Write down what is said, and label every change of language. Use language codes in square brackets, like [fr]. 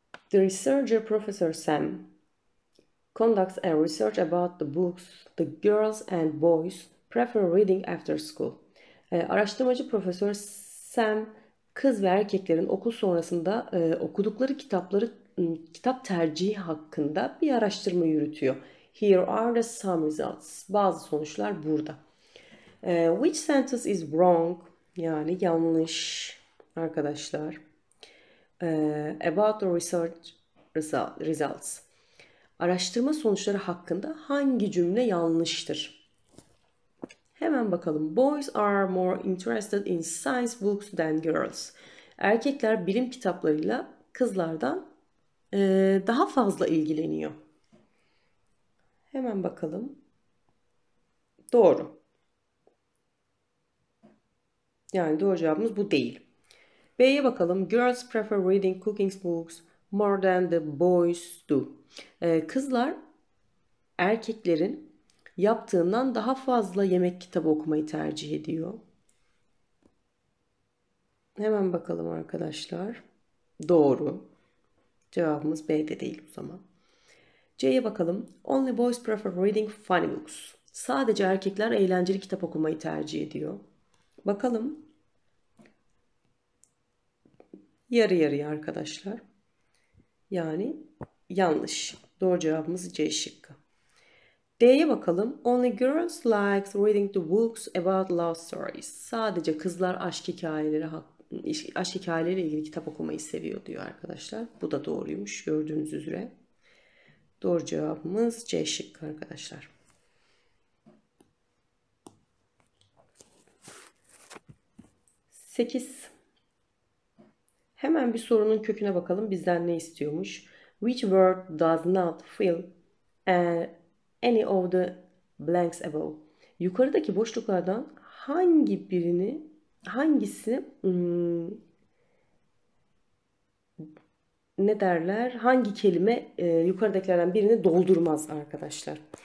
[en] The researcher Professor Sam conducts a research about the books the girls and boys prefer reading after school. [tr] Araştırmacı Profesör Sam, kız ve erkeklerin okul sonrasında okudukları kitapları kitap tercihi hakkında bir araştırma yürütüyor. [en] Here are the some results. [tr] Bazı sonuçlar burada. [en] Which sentence is wrong? [tr] Yani yanlış arkadaşlar. [en] About the research results. [tr] Araştırma sonuçları hakkında hangi cümle yanlıştır? Hemen bakalım. [en] Boys are more interested in science books than girls. [tr] Erkekler bilim kitaplarıyla kızlardan daha fazla ilgileniyor. Hemen bakalım. Doğru. Yani doğru cevabımız bu değil. B'ye bakalım. [en] Girls prefer reading cooking books more than the boys do. [tr] Kızlar erkeklerin yaptığından daha fazla yemek kitabı okumayı tercih ediyor. Hemen bakalım arkadaşlar. Doğru. Cevabımız B'de değil o zaman. C'ye bakalım. [en] Only boys prefer reading funny books. [tr] Sadece erkekler eğlenceli kitap okumayı tercih ediyor. Bakalım. Yarı yarıya arkadaşlar. Yani yanlış. Doğru cevabımız C şıkkı. D'ye bakalım. [en] Only girls like reading the books about love stories. [tr] Sadece kızlar aşk hikayeleri ilgili kitap okumayı seviyor diyor arkadaşlar. Bu da doğruymuş gördüğünüz üzere. Doğru cevabımız C şıkkı arkadaşlar. Sekiz. Hemen bir sorunun köküne bakalım. Bizden ne istiyormuş? [en] Which word does not fill any of the blanks above? [tr] Yukarıdaki boşluklardan hangi kelime yukarıdakilerden birini doldurmaz arkadaşlar?